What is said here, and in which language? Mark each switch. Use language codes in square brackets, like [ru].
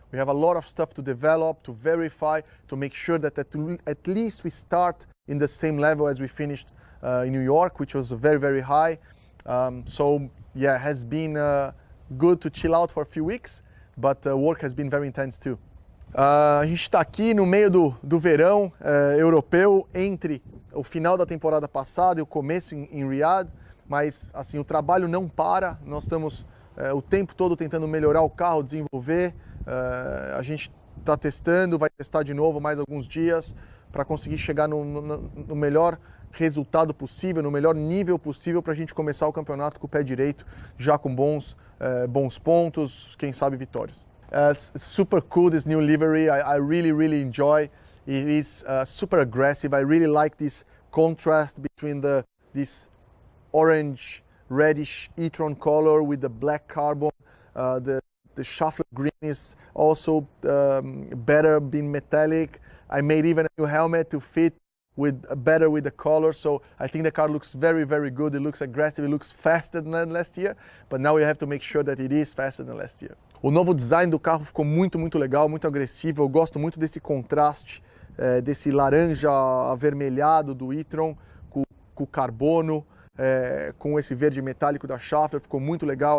[en] We have a lot of stuff to develop, to verify, to make sure that at least we start in the same level as we finished in New York, which was very, very high. It has been good to chill out for a few weeks, but work has been very intense too. [pt] A gente está aqui no meio do verão europeu, entre o final da temporada passada e o começo em Riyadh, mas assim, o trabalho não para. Nós estamos o tempo todo tentando melhorar o carro, desenvolver. A gente está testando, vai testar de novo mais alguns dias para conseguir chegar no melhor resultado possível, no melhor nível possível para a gente começar o campeonato com o pé direito, já com bons pontos, quem sabe vitórias. [en] It's super cool, this new livery. I really, really enjoy. It is super aggressive. I really like this contrast between this orange, reddish e-tron color with the black carbon. The chauffeur green is also better, being metallic. I made even a new helmet to fit better with the color. So I think the car looks very, very good. It looks aggressive. It looks faster than last year. But now we have to make sure that it is faster than last year. [pt] O novo design do carro ficou muito, muito legal, muito agressivo. Eu gosto muito desse contraste, desse laranja avermelhado do e-tron com carbono, com esse verde metálico da chauffeur. Ficou muito legal.